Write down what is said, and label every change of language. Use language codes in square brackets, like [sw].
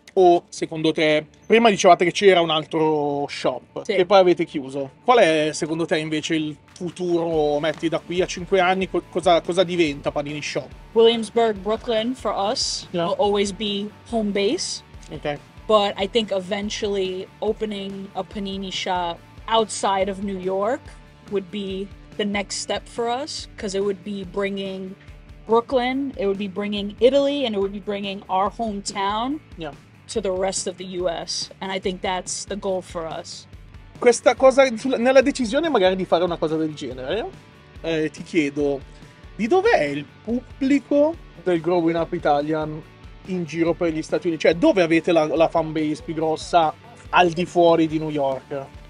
[it] o secondo te, prima dicevate che c'era un altro shop che poi avete chiuso, qual è secondo te invece il futuro, metti da qui a 5 anni, cosa diventa Panini Shop? [en] Williamsburg, Brooklyn for us, yeah, will always be home base. Okay. But I think eventually opening a Panini shop outside of New York would be the next step for us, because it would be bringing Brooklyn, it would be bringing Italy, and it would be bringing our hometown, yeah, to the rest of the US. And I think that's the goal for us. [it] Questa cosa, nella decisione magari di fare una cosa del genere, ti chiedo, di dov'è il pubblico del Growing Up Italian in giro per gli Stati Uniti? Cioè, dove avete la fan base più grossa al di fuori di New York?